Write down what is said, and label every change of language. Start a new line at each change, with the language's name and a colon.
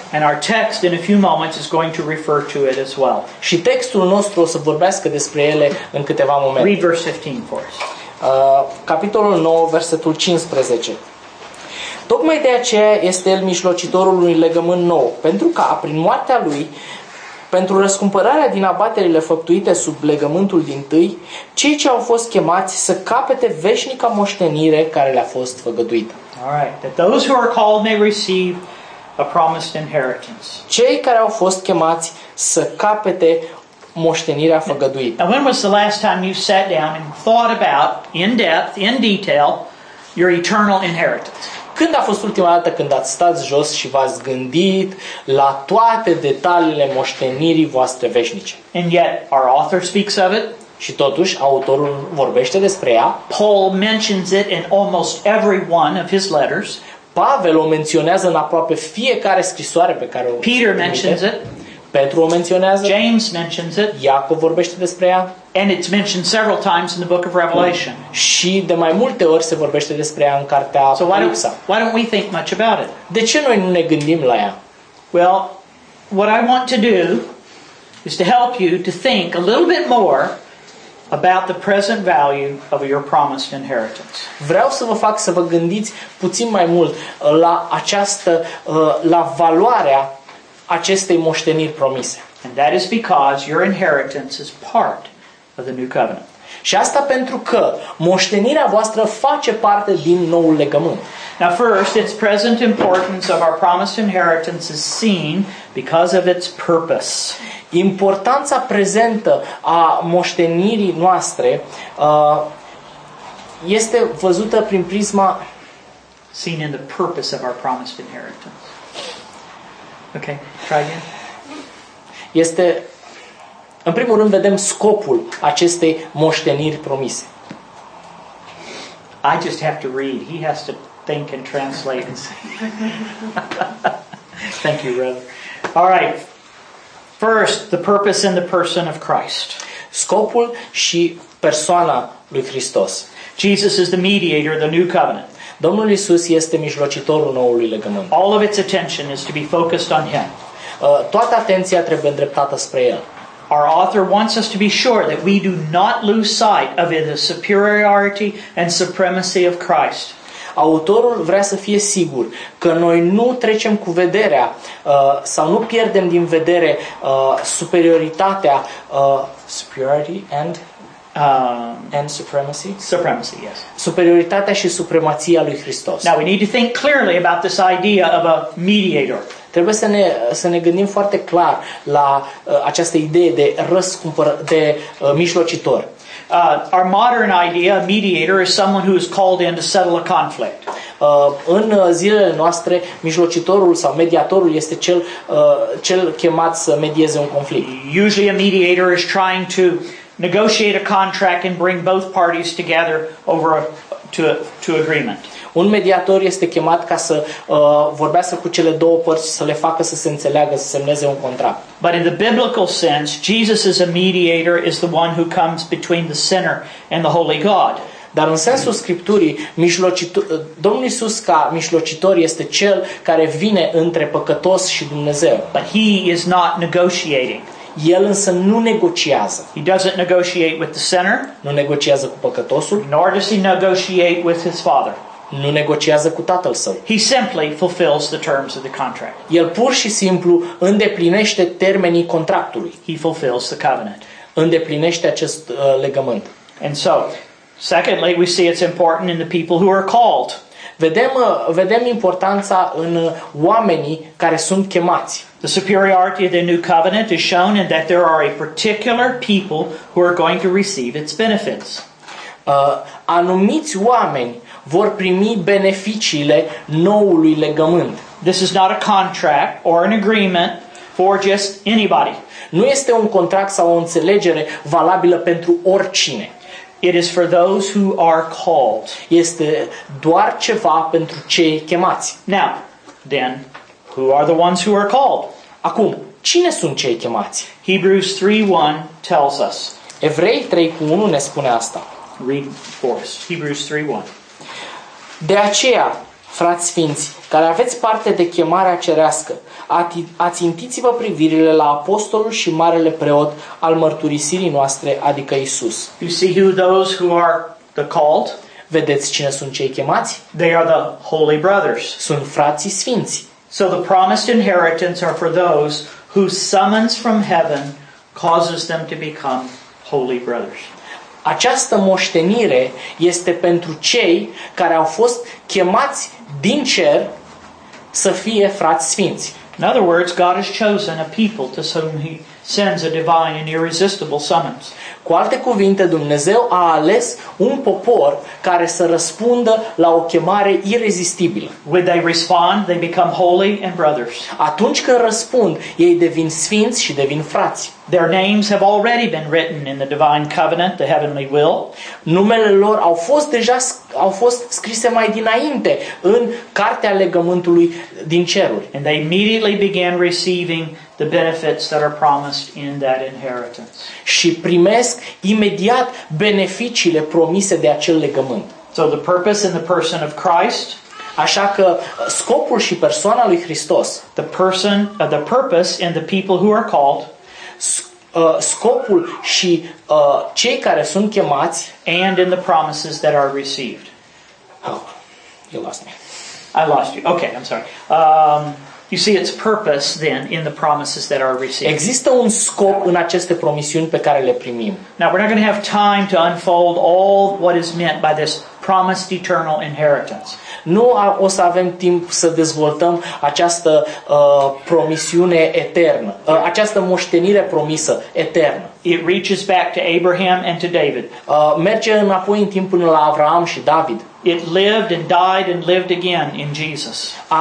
English: And our text in a few moments is going to refer to it as well.
Romanian: Și textul nostru o să vorbească despre ele în câteva momente.
English: Read verse 15 for us.
Romanian: Capitolul 9, versetul 15. Tocmai de aceea este el mijlocitorul unui legământ nou, pentru ca, prin moartea lui, pentru răscumpărarea din abaterile făptuite sub legământul dintâi, cei ce au fost chemați să capete veșnica moștenire care le-a fost făgăduită.
English: All right. That those who are called may receive a promised inheritance.
Romanian: Cei care au fost chemați să capete moștenirea făgăduită.
English: Now, when was the last time you sat down and thought about in depth, in detail, your eternal inheritance?
Romanian: Când a fost ultima dată când ați stat jos și v-ați gândit la toate detaliile moștenirii voastre veșnice?
English: And yet our author speaks of it.
Romanian: Și totuși autorul vorbește despre ea.
English: Paul mentions it in almost every one of his letters.
Romanian: Pavel o menționează în aproape fiecare scrisoare pe care o trimite.
English: Peter mentions it.
Romanian: Petru o menționează.
English: James mentions it.
Romanian: Iacov vorbește despre ea.
English: And it's mentioned several times in the book of Revelation.
Romanian: Și de mai multe ori se vorbește despre ea în cartea Apocalipsa.
English: Why don't we think much about it?
Romanian: De ce noi nu ne gândim la ea?
English: Well, what I want to do is to help you to think a little bit more about the present value of your promised inheritance.
Romanian: Vreau să vă fac să vă gândiți puțin mai mult la această la valoarea acestei moșteniri promise.
English: And that is because your inheritance is part of the new covenant.
Romanian: Și asta pentru că moștenirea voastră face parte din noul legământ.
English: Now first, its present importance of our promised inheritance is seen because of its purpose.
Romanian: Importanța prezentă a moștenirii noastre este văzută prin prisma
English: seen in the purpose of our promised inheritance. Okay, try again.
Romanian: Este, în primul rând, vedem scopul acestei moșteniri promise.
English: I just have to read. He has to think and translate. Thank you, brother. All right. First, the purpose and the person of Christ.
Romanian: Scopul și persoana lui Hristos.
English: Jesus is the mediator of the new covenant.
Romanian: Domnul Iisus este mijlocitorul noului legământ.
English: All of its attention is to be focused on him.
Romanian: Toată atenția trebuie îndreptată spre el.
English: Our author wants us to be sure that we do not lose sight of the superiority and supremacy of Christ.
Romanian: Autorul vrea să fie sigur că noi nu trecem cu vederea sau nu pierdem din vedere superioritatea
English: superiority and supremacy. Supremacy, yes.
Romanian: Superioritatea și supremația lui Hristos.
English: Now we need to think clearly about this idea of a mediator.
Romanian: Trebuie să ne gândim foarte clar la această idee de mijlocitor.
English: Our modern idea, a mediator, is someone who is called in to settle a conflict.
Romanian: În zilele noastre, mijlocitorul sau mediatorul este cel chemat să medieze un conflict.
English: Usually a mediator is trying to negotiate a contract and bring both parties together over to agreement.
Romanian: Un mediator este chemat ca să vorbească cu cele două părți, să le facă să se înțeleagă, să semneze un contract.
English: But in the biblical sense, Jesus is a mediator, is the one who comes between the sinner and the holy God.
Romanian: Dar în sensul Scripturii, Domnul Iisus ca mijlocitor este cel care vine între păcătos și Dumnezeu.
English: But he is not negotiating.
Romanian: El însă nu negociază.
English: He doesn't negotiate with the sinner.
Romanian: Nu negociază cu păcătosul.
English: Nor does he negotiate with his father.
Romanian: Nu negociază cu tatăl său.
English: He simply fulfills the terms of the contract.
Romanian: El pur și simplu îndeplinește termenii contractului.
English: He fulfills the covenant.
Romanian: Îndeplinește acest legământ.
English: And so, secondly, we see it's important in the people who are called.
Romanian: Vedem importanța în oamenii care sunt chemați.
English: The superiority of the new covenant is shown in that there are a particular people who are going to receive its benefits.
Romanian: Anumiți oameni vor primi beneficiile noului legământ.
English: This is not a contract or an agreement for just anybody.
Romanian: Nu este un contract sau o înțelegere valabilă pentru oricine.
English: It is for those who are called.
Romanian: Este doar ceva pentru cei chemați.
English: Now, then, who are the ones who are called?
Romanian: Acum, cine sunt cei chemați?
English: Hebrews 3:1 tells us.
Romanian: Evrei 3:1 ne spune asta.
English: Read for us. Hebrews 3:1.
Romanian: De aceea, frați sfinți, care aveți parte de chemarea cerească, ațintiți-vă privirile la apostolul și marele preot al mărturisirii noastre, adică Iisus.
English: You see who those who are the called?
Romanian: Vedeți cine sunt cei chemați?
English: They are the holy brothers.
Romanian: Sunt frații sfinți.
English: So the promised inheritance are for those whose summons from heaven causes them to become holy brothers.
Romanian: Această moștenire este pentru cei care au fost chemați din cer să fie frați sfinți.
English: In other words, God has chosen a people to whom he sends a divine and irresistible summons.
Romanian: Cu alte cuvinte, Dumnezeu a ales un popor care să răspundă la o chemare irezistibilă.
English: When they respond, they become holy and brothers.
Romanian: Atunci când răspund, ei devin sfinți și devin frați.
English: Their names have already been written in the divine covenant, the heavenly will.
Romanian: Numele lor au fost deja scrise mai dinainte în cartea legământului din ceruri.
English: And they immediately began receiving the benefits that are promised in that inheritance.
Romanian: Și primesc imediat beneficiile promise de acel legământ.
English: So the purpose and the person of Christ,
Romanian: așa că scopul și persoana lui Hristos,
English: the person, the purpose and the people who are called,
Romanian: scopul și cei care sunt chemați,
English: and in the promises that are received. Oh, you lost me. I lost you. Okay, I'm sorry. You see its purpose then in the promises that are received.
Romanian: Există un scop în aceste promisiuni pe care le primim.
English: Now we're not going to have time to unfold all what is meant by this promised eternal inheritance.
Romanian: Nu o să avem timp să dezvoltăm această promisiune eternă, această moștenire promisă eternă.
English: It reaches back to Abraham and to David.
Romanian: Merge înapoi în timp până la Avraam și David.
English: It lived and died and lived again in Jesus.